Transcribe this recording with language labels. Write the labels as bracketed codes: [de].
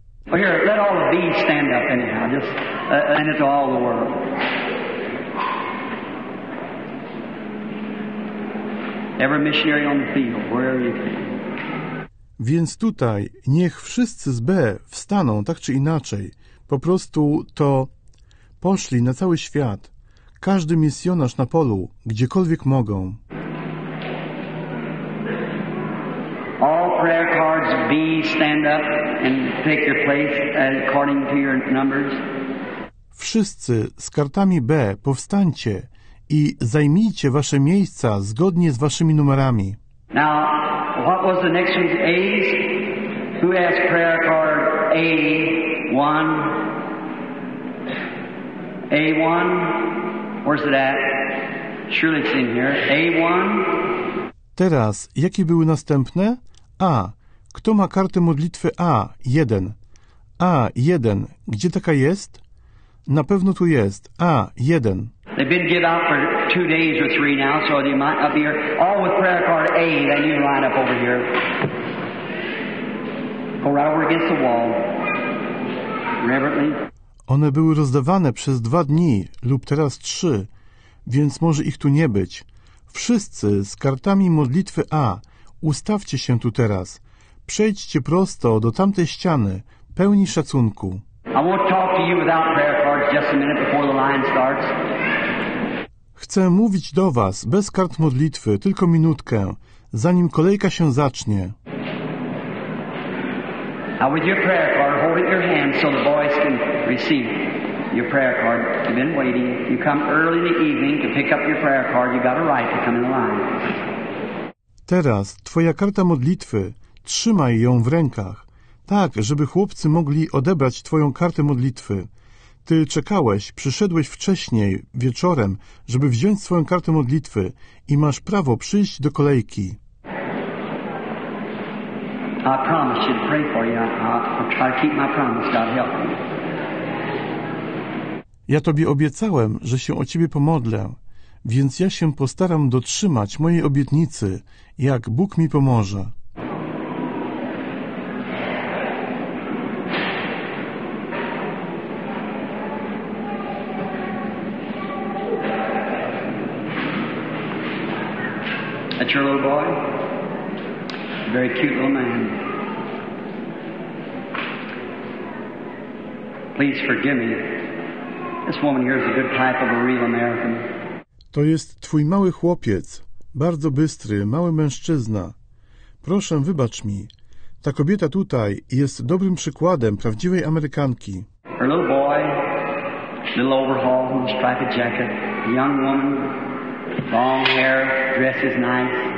[en] Well, here, let all of these stand up anyhow, just and it's all the world. Every missionary on the field, wherever you can. [pl] Więc tutaj niech wszyscy z B wstaną, tak czy inaczej. Po prostu to poszli na cały świat. Każdy misjonarz na polu, gdziekolwiek mogą. [en] All prayer cards B, stand up and take your place according to your numbers. [pl] Wszyscy z kartami B, powstańcie i zajmijcie wasze miejsca zgodnie z waszymi numerami. [en] Now, what was the next one? A's? Who has prayer card A1? A1? Where's it at? Surely it's in here. A1? [pl] Teraz, jakie były następne? A. Kto ma kartę modlitwy A1? A1. Gdzie taka jest? Na pewno tu jest. A1. [en] They've been given out for 2 days or three now, so they might not be here. All with prayer card A, then you line up over here. Go right over against the wall. Reverently. [pl] One były rozdawane przez 2 dni, lub teraz 3, więc może ich tu nie być. Wszyscy z kartami modlitwy A, ustawcie się tu teraz. Przejdźcie prosto do tamtej ściany, pełni szacunku. [en] I won't talk to you without prayer cards just a minute before the line starts. [pl] Chcę mówić do was bez kart modlitwy, tylko minutkę, zanim kolejka się zacznie. [en] Now with your prayer card, hold it in your hand so the boys can receive your prayer card. You've been waiting. You come early in the evening to pick up your prayer card. You got a right to come in the line. [pl] Teraz twoja karta modlitwy, trzymaj ją w rękach, tak, żeby chłopcy mogli odebrać twoją kartę modlitwy. Ty czekałeś, przyszedłeś wcześniej, wieczorem, żeby wziąć swoją kartę modlitwy i masz prawo przyjść do kolejki. [en] I promise to pray for you. I'll try to keep my promise. God help me. [pl] Ja tobie obiecałem, że się o ciebie pomodlę, więc ja się postaram dotrzymać mojej obietnicy, jak Bóg mi pomoże. [en] That's your little boy? Very cute little man. Please forgive me This woman here is a good type of a real American. [pl] To jest twój mały chłopiec, bardzo bystry, mały mężczyzna. Proszę, wybacz mi. Ta kobieta tutaj jest dobrym przykładem prawdziwej Amerykanki. [en] Her little boy, little overhaul, striped jacket, a young woman, long hair, dress is nice.